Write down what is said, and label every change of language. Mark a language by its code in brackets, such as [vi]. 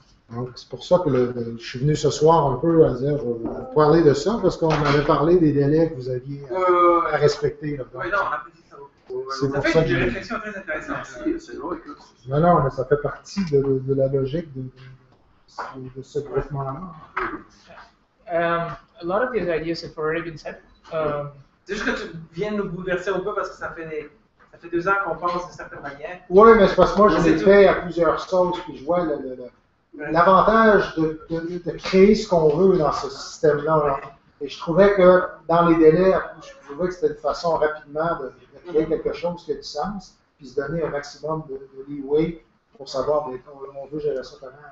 [fr] Donc, c'est pour ça que je suis venu ce soir un peu à dire, parler de ça, parce qu'on avait parlé des délais que vous aviez à respecter. Là, donc, oui, non, c'est ça pour fait ça une réflexion très intéressante. Non, non, mais ça fait partie de la logique de ce groupement-là. [en] A lot of these ideas have already been said. [fr] C'est juste que tu viens nous bouleverser un peu parce que ça fait 2 ans qu'on pense d'une certaine manière. Oui, mais c'est parce que moi, je l'ai fait à plusieurs sauces, puis je vois l'avantage de créer ce qu'on veut dans ce système-là. Ouais. Et je trouvais que dans les délais, je trouvais que c'était une façon rapidement de créer quelque chose qui a du sens, puis se donner un maximum de leeway pour savoir on veut gérer ça comment.